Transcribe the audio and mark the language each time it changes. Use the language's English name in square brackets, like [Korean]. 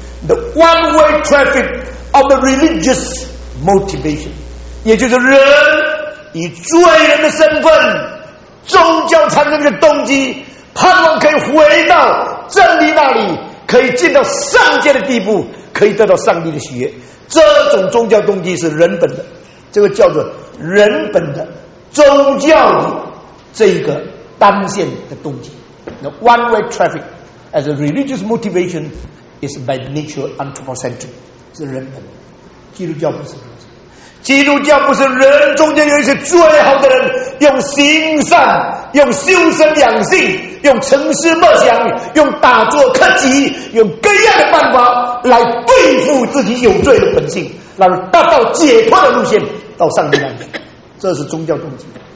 [English] The one way traffic of the religious motivation， [Chinese] 也就是人以罪人的身份，宗教产生的动机，盼望可以回到真理那里，可以进到上界的地步，可以得到上帝的喜悦。这种宗教动机是人本的，这个叫做人本的宗教的这个单线的动机。 [English] The one way traffic as a religious motivation is by nature anthropocentric， [Chinese] 是人本的。基督教不是如此。基督教不是人中间有一些最好的人，用行善、用修身养性、用沉思默想、用打坐克己、用各样的办法来对付自己有罪的本性，然后达到解脱的路线到上帝那里。这是宗教动机。